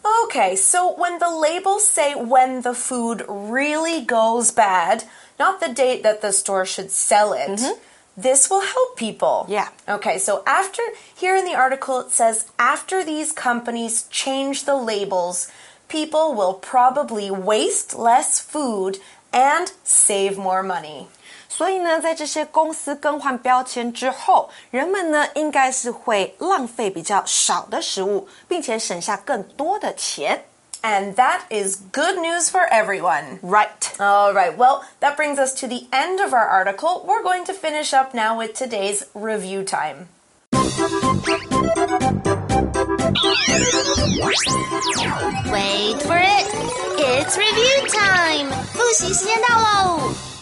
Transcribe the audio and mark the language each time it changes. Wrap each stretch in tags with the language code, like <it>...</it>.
<en>Okay, so when the labels say when the food really goes bad, not the date that the store should sell it,、 mm-hmm. this will help people. Yeah. Okay, so after, here in the article it says, after these companies change the labels, people will probably waste less food and save more money.</en> <zh>所以呢，在这些公司更换标签之后，人们呢，应该是会浪费比较少的食物，并且省下更多的钱。</zh> <en>And that is good news for everyone. Right. All right. Well, that brings us to the end of our article. We're going to finish up now with today's review time. Wait for it. It's review time.</en> <zh>复习时间到喽。</zh>